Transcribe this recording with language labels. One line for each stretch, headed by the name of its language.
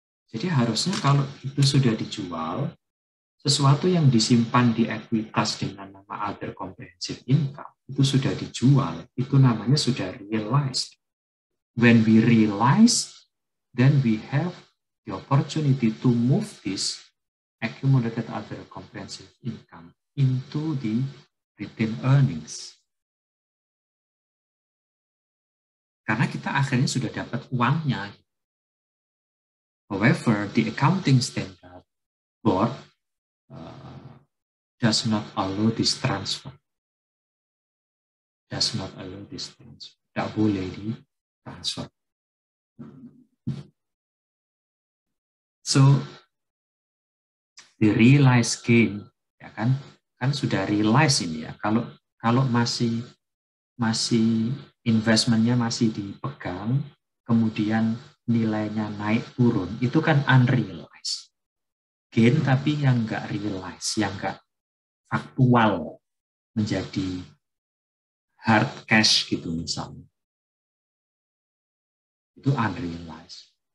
Indonesian: Jadi harusnya kalau itu sudah dijual, sesuatu yang disimpan di ekuitas dengan nama other comprehensive income itu sudah dijual, itu namanya sudah realized.
English: When we realize, then we have the opportunity to move this accumulated other comprehensive income into the retained earnings.
Indonesian: Karena kita akhirnya sudah dapat uangnya.
English: However, the accounting standard board does not allow this transfer. Does not allow this transfer.
Indonesian: Tidak boleh di transfer.
English: So, the realized gain,
Indonesian: ya kan? Kan sudah realize ini ya. Kalau masih investmentnya masih dipegang, kemudian nilainya naik turun, itu kan unrealized gain, tapi yang nggak realize, yang nggak faktual menjadi hard cash gitu misalnya, itu unrealized.